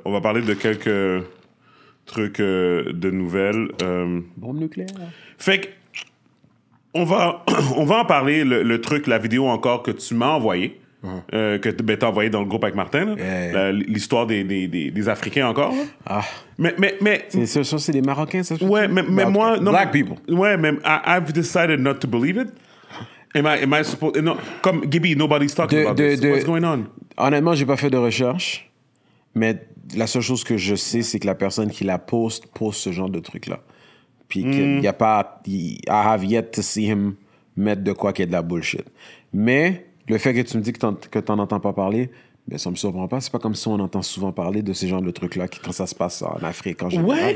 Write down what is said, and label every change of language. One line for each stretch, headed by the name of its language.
French: On va parler de quelques trucs de nouvelles. Bombe nucléaire. Fait que. On va en parler, le truc, la vidéo encore que tu m'as envoyée, que t'as envoyée dans le groupe avec Martin, là, l'histoire des Africains encore. Ah. Mais c'est des Marocains, ça? Ouais, mais moi... Non,
English: black people.
French: Ouais, mais
English: I've decided not to believe it. Am I supposed... No, comme Gibby, nobody's talking about this. What's going on?
French: Honnêtement, j'ai pas fait de recherche, mais la seule chose que je sais, c'est que la personne qui la poste ce genre de truc-là. Puis qu'il n'y a pas...
English: I have yet to see him
French: mettre de quoi qu'il y ait de la bullshit. Mais le fait que tu me dis que tu n'en entends pas parler, ben ça ne me surprend pas. Ce n'est pas comme si on entend souvent parler de ces genres de trucs-là quand ça se passe en Afrique, en général.